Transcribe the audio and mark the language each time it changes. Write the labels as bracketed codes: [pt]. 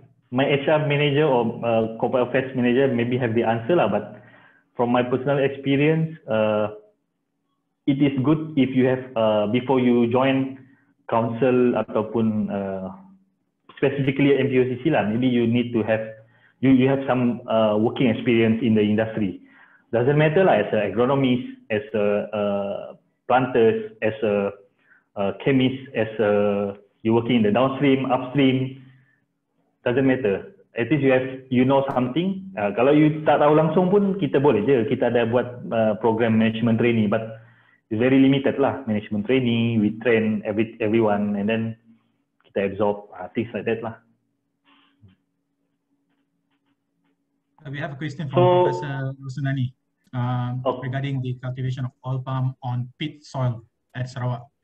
[en] My HR manager or corporate affairs manager maybe have the answer lah, but from my personal experience, it is good if you have, before you join council [ms] ataupun [en] specifically MPOCC lah, maybe you need to have, you have some working experience in the industry. Doesn't matter lah, as an agronomist, as a planters, as a chemist, as a, you working in the downstream, upstream, doesn't matter. At least you know something. [ms] Kalau you tak tahu langsung pun, kita boleh je. Kita ada buat [en] program management training, but it's very limited lah. Management training, we train everyone, and then [ms] kita [en] absorb things like that lah. We have a question from Professor Rosunani regarding the cultivation of oil palm on peat soil at Sarawak.